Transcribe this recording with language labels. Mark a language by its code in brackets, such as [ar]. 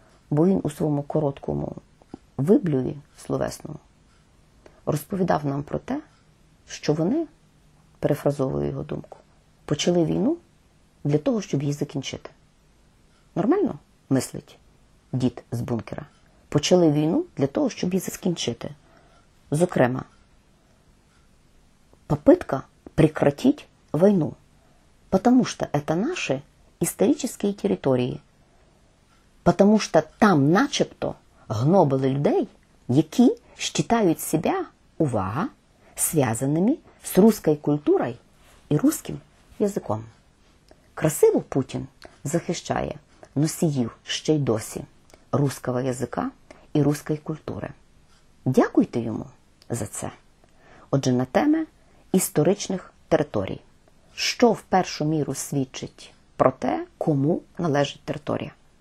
[uk] Бо він у своєму короткому виблюві словесному розповідав нам про те, що вони, перефразовую його думку, почали війну для того, щоб її закінчити. Нормально, мислить дід з бункера. Почали війну для того, щоб її закінчити. [ru] Зокрема, попытка прекратить войну, потому что это наши исторические территории, потому что там [uk] начебто гнобили [ru] людей, які считають себе, увага, связаними з русской культурой и русским языком. [uk] Красиво Путін захищає носіїв ще й досі [ru] русского языка и русской культури. [uk] Дякуйте йому за це. Отже, на теми історичних територій. Що в першу міру свідчить про те, кому належить територія?